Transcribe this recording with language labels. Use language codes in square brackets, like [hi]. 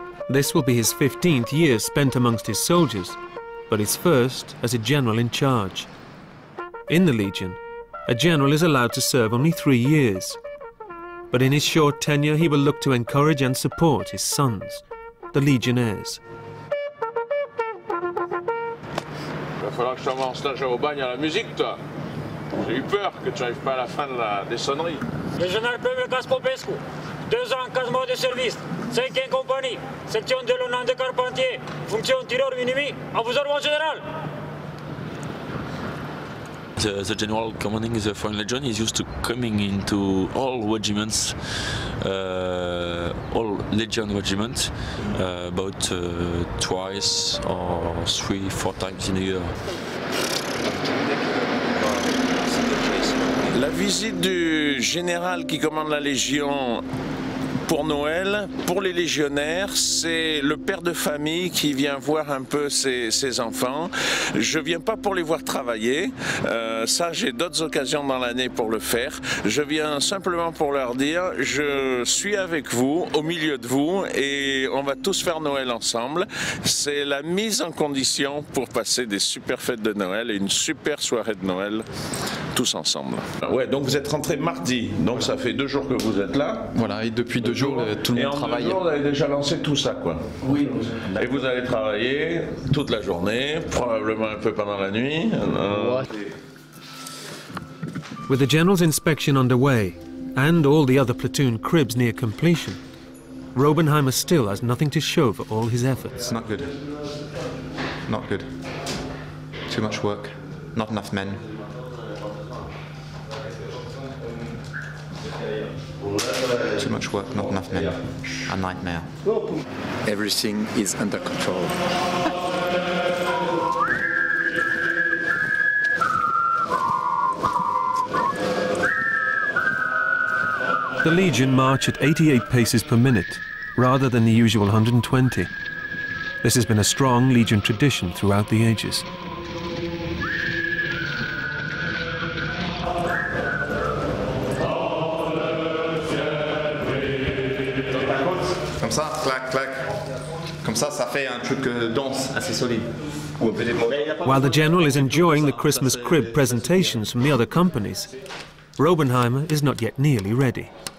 [en] This will be his 15th year spent amongst his soldiers, but his first as a general in charge. In the Legion, a general is allowed to serve only 3 years, but in his short tenure, he will look to encourage and support his sons, the legionnaires. [fr] Il va falloir que je t'envoie en stage au bagne à la musique, toi. J'ai eu peur que tu arrives pas à la fin de la sonnerie. Le général Pavel Caspopescu, 2 ans, 4 mois de service, 5e compagnie, section de l'honneur de Carpentier, fonction tireur minimi, à vos ordres, général. [en] The general commanding the Foreign Legion is used to coming into all regiments, all Legion regiments, about twice or 3-4 times in a year. [fr] La visite du général qui commande la Légion pour Noël, pour les légionnaires, c'est le père de famille qui vient voir un peu ses enfants. Je viens pas pour les voir travailler, ça j'ai d'autres occasions dans l'année pour le faire. Je viens simplement pour leur dire, je suis avec vous, au milieu de vous, et on va tous faire Noël ensemble. C'est la mise en condition pour passer des super fêtes de Noël et une super soirée de Noël, tous ensemble. Ouais, donc vous êtes rentré mardi, donc voilà. Ça fait 2 jours que vous êtes là. Voilà, et depuis deux jours, tout le monde travaille. Et en deux jours, vous avez déjà lancé tout ça, quoi. Oui. Et vous allez travailler toute la journée, probablement un peu pendant la nuit. [en] With the general's inspection underway, and all the other platoon cribs near completion, Robenheimer still has nothing to show for all his efforts. Not good. Not good. Too much work. Not enough men. Too much work, not enough men. A nightmare. Everything is under control. The Legion march at 88 paces per minute, rather than the usual 120. This has been a strong Legion tradition throughout the ages. Oh, [fr] comme ça, clac, clac. Comme ça, ça fait un truc dense, assez solide. [en] While the general is enjoying the Christmas crib presentations from the other companies, Robenheimer is not yet nearly ready.